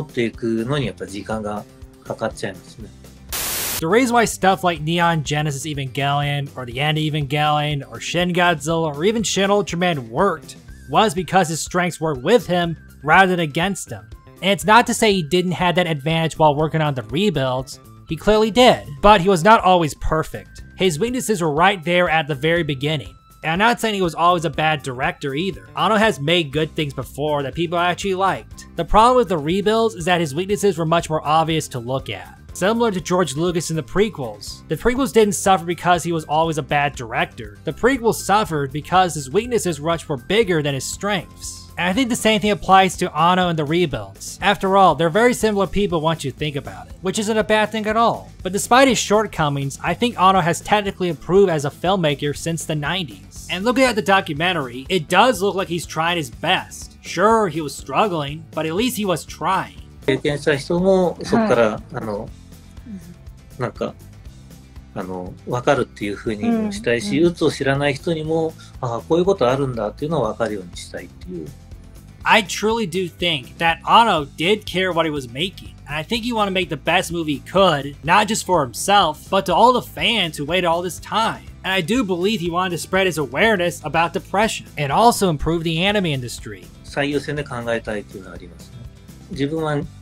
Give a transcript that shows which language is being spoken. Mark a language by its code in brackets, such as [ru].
[ja] もうそのその時点でそれはやめちゃうんですよね。自分の表現方法が至らないと思うんで、まあ最低限あの自分のスタッフや近しい周りの人があのこれだったらなんかわかるかなっていうものに持っていくのにやっぱ時間がかかっちゃいますね。 [en] The reason why stuff like Neon Genesis Evangelion, or the end of Evangelion, or Shin Godzilla, or even Shin Ultraman worked was because his strengths were with him rather than against him. And it's not to say he didn't have that advantage while working on the rebuilds, he clearly did. But he was not always perfect. His weaknesses were right there at the very beginning. And I'm not saying he was always a bad director either. Anno has made good things before that people actually liked. The problem with the rebuilds is that his weaknesses were much more obvious to look at. Similar to George Lucas in the prequels. The prequels didn't suffer because he was always a bad director. The prequels suffered because his weaknesses were much more bigger than his strengths. And I think the same thing applies to Anno and the rebuilds. After all, they're very similar people once you think about it, which isn't a bad thing at all. But despite his shortcomings, I think Anno has technically improved as a filmmaker since the 90s. And looking at the documentary, it does look like he's trying his best. Sure, he was struggling, but at least he was trying. [ja] 経験した人も、そっから、あの、なんか、あの、分かるっていうふうにしたいし、鬱を知らない人にも、ああ、こういうことあるんだっていうのを分かるようにしたいっていう。 [en] I truly do think that Anno did care what he was making, and I think he wanted to make the best movie he could, not just for himself, but to all the fans who waited all this time. And I do believe he wanted to spread his awareness about depression, and also improve the anime industry. [ja] 最優先で考えたいっていうのはありますね。